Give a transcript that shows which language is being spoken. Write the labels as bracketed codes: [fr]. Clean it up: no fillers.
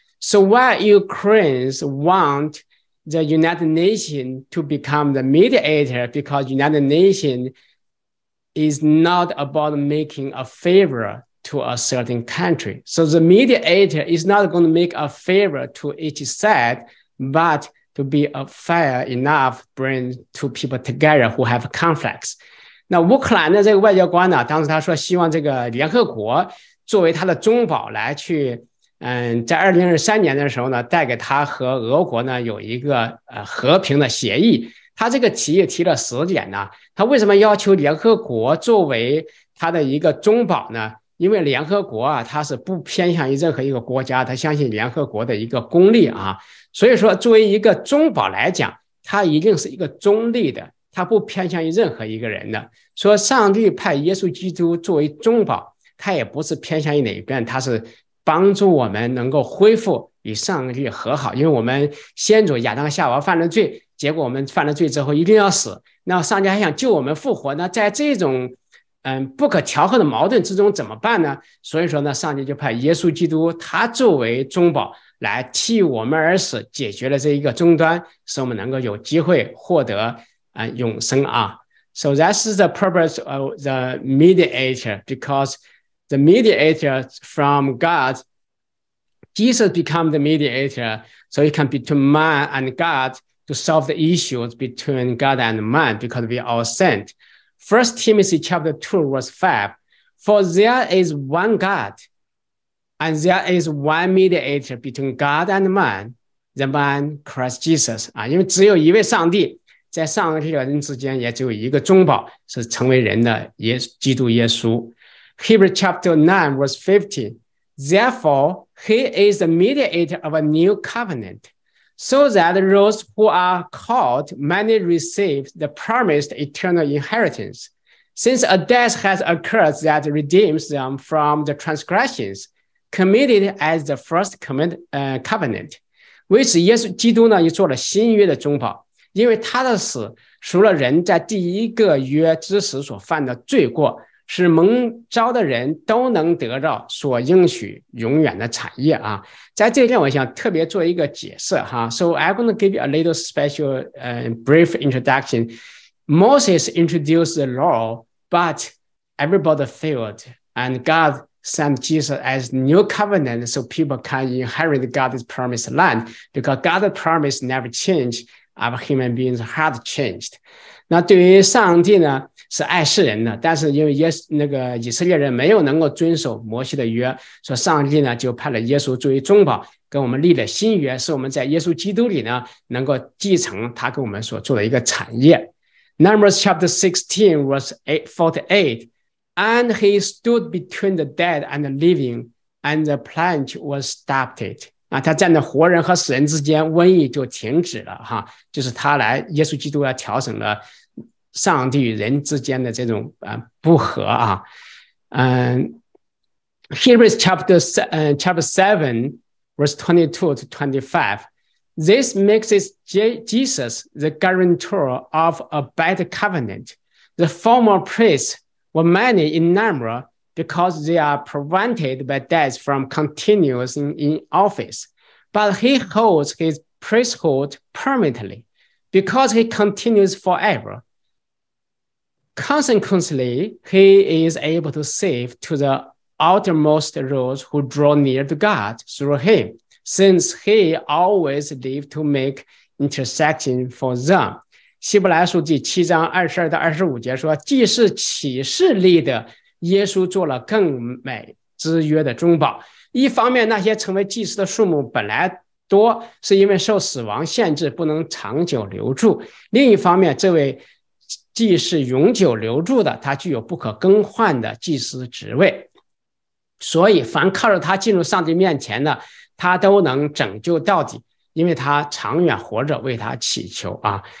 [en] So while Ukraine want the United Nations to become the mediator because United Nations is not about making a favor to a certain country. So the mediator is not going to make a favor to each side, but... to be a fair enough bring two people together who have conflicts. [zh] 那乌克兰的这个外交官呢，当时他说希望这个联合国作为他的中保来去在2023年的时候呢，带给他和俄国呢有一个和平的协议。他这个提议提了10点呢，他为什么要求联合国作为他的一个中保呢？因为联合国啊，他是不偏向于任何一个国家，他相信联合国的一个公力啊。所以说作为一个中保来讲，他一定是一个中立的，他不偏向于任何一个人的。说上帝派耶稣基督作为中保，他也不是偏向于哪一边，他是帮助我们能够恢复与上帝和好。因为我们先祖亚当夏娃犯了罪，结果我们犯了罪之后一定要死，那上帝还想救我们复活，那在这种不可调和的矛盾之中怎么办呢？所以说呢，上帝就派耶稣基督他作为中保来替我们而死，解决了这一个终端，使我们能够有机会获得永生啊。 [en] So that's the purpose of the mediator, because the mediator from God, Jesus become the mediator, so he can be between man and God to solve the issues between God and man, because we are all sent. 1 Timothy chapter 2 verse 5, for there is one God, and there is one mediator between God and man, the man Christ Jesus. [zh] 因为只有一位上帝，在上帝和人之间也只有一个中保，是成为人的耶稣基督耶稣。 [en] Hebrews chapter 9 verse 15, therefore he is the mediator of a new covenant, so that those who are called may receive the promised eternal inheritance, since a death has occurred that redeems them from the transgressions committed as the first covenant. [zh] 为此耶稣基督呢也做了新约的中保，因为他的死除了人在第一个约之时所犯的罪过，使蒙召的人都能得到所应许永远的产业啊。在这一点我想特别做一个解释哈。 [en] So I'm going to give you a little special brief introduction. Moses introduced the law, but everybody failed. And God sent Jesus as new covenant so people can inherit God's promised land, because God's promise never changed. Of human beings had changed. [zh] 那对于上帝呢是爱世人的，但是因为那个以色列人没有能够遵守摩西的约，所以上帝呢就派了耶稣作为中保跟我们立了新约，是我们在耶稣基督里呢能够继承他给我们所做的一个产业。 [en] Numbers chapter 16 verse 48, and he stood between the dead and the living, and the plague was stopped. [zh] 那他站在活人和死人之间，瘟疫就停止了哈，就是他来耶稣基督要调整了上帝与人之间的这种不和啊。 [en] Hebrews chapter 7 verse 22 to 25, this makes it Jesus the guarantor of a better covenant. The former priests were many in number,because they are prevented by death from continuing in office. But he holds his priesthood permanently, because he continues forever. Consequently, he is able to save to the uttermost those who draw near to God through him, since he always lives to make intercession for them. [zh] 希伯来书第七章22-25节说，既是启示立的耶稣做了更美之约的中保，一方面那些成为祭司的数目本来多，是因为受死亡限制不能长久留住，另一方面这位祭司永久留住的，他具有不可更换的祭司职位，所以凡靠着他进入上帝面前的，他都能拯救到底，因为他长远活着为他祈求啊。